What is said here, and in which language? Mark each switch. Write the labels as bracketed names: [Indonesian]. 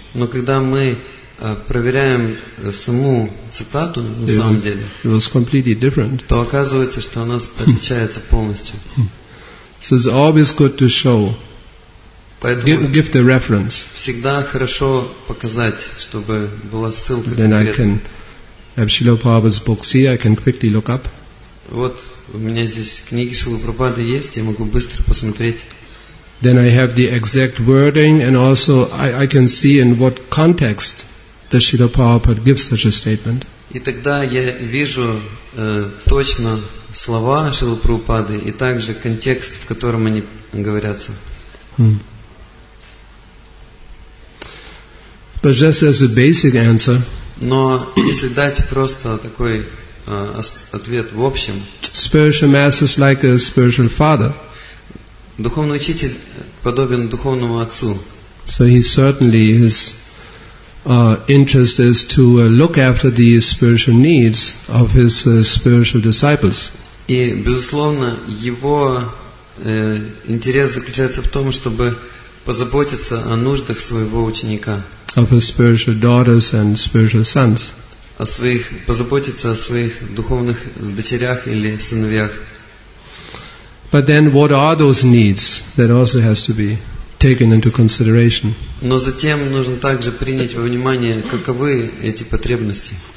[Russian] но когда мы проверяем саму цитату на самом деле, [English] it was completely different. [Russian] То оказывается, что она отличается полностью. [English] So it's always good to show. [Russian] Поэтому [English] give the reference. [Russian] Всегда хорошо показать, чтобы была ссылка. [English] Then I can have Srila Prabhupada's books here. I can quickly look up. [Russian] Вот у меня здесь книги Шрилы Прабхупады есть, я могу быстро посмотреть. [English] Then I have the exact wording, and also I can see in what context the Srila Prabhupada gives such a statement. [Russian] И тогда я вижу точно слова Шрилы Прабхупады и также контекст, в котором они говорятся. [English] But just as a basic answer. [Russian] Но если дать просто такой ответ в общем. [English] Spiritual master is like a spiritual father. [Russian] Духовный учитель подобен духовному отцу. [English] So he certainly his interest is to look after the spiritual needs of his spiritual disciples. [Russian] И безусловно его интерес заключается в том, чтобы позаботиться о нуждах своего ученика. [English] Of his spiritual daughters and spiritual sons. [Russian] О своих позаботиться о своих духовных дочерях или сыновьях. [English] But then, what are those needs? That also has to be taken into consideration. [Russian] Но затем нужно также принять во внимание, каковы эти потребности.